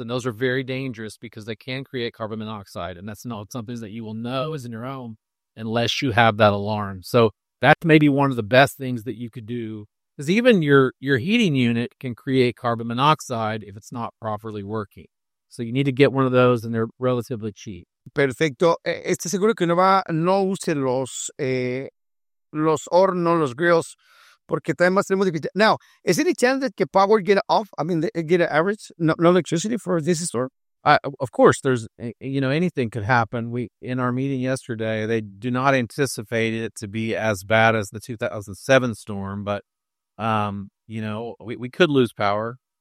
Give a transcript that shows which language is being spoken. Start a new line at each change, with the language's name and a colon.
English: And those are very dangerous because they can create carbon monoxide. And that's not something that you will know is in your home unless you have that alarm. So that's maybe one of the best things that you could do. Because even your heating unit can create carbon monoxide if it's not properly working. So you need to get one of those, and they're relatively cheap.
Spanish: Perfecto. Estoy seguro que no use los hornos, los grills, porque además tenemos dificultad.
English: Now, is any chance that the power get off? I mean, get an average, no electricity for this store? Of course, there's, you know, anything could happen. We, in our meeting yesterday, they do not anticipate it to be as bad as the 2007 storm, but, you know, we could lose power.